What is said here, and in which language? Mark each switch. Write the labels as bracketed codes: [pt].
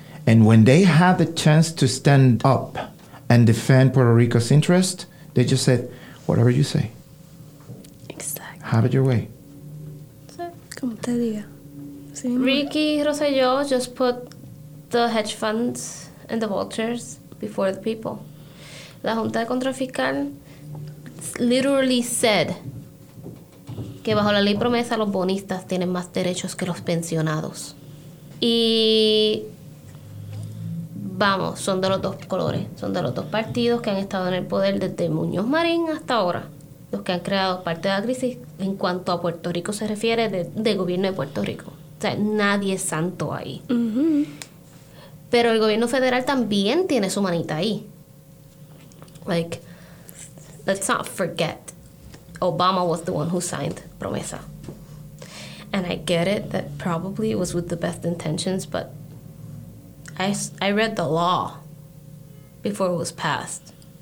[en] And when they have the chance to stand up and defend Puerto Rico's interest, they just said, whatever you say. Exactly. Have it your way. [es] Como te diga. [en] Ricky Rosselló just put the hedge funds and the vultures before the people. [es] La Junta de Control Fiscal [en] literally said [es] que bajo la ley Promesa los bonistas tienen más derechos que los pensionados. Y vamos, son de los dos colores, son de los dos partidos que han estado en el poder desde Muñoz Marín hasta ahora, los que han creado parte de la crisis en cuanto a Puerto Rico se refiere, de gobierno de Puerto Rico. O sea, nadie es santo ahí. Pero el gobierno federal también tiene su manita ahí. [en] Like, let's not forget, Obama was the one who signed Promesa. And I get it that probably it was with the best intentions, but I read the law before it was passed.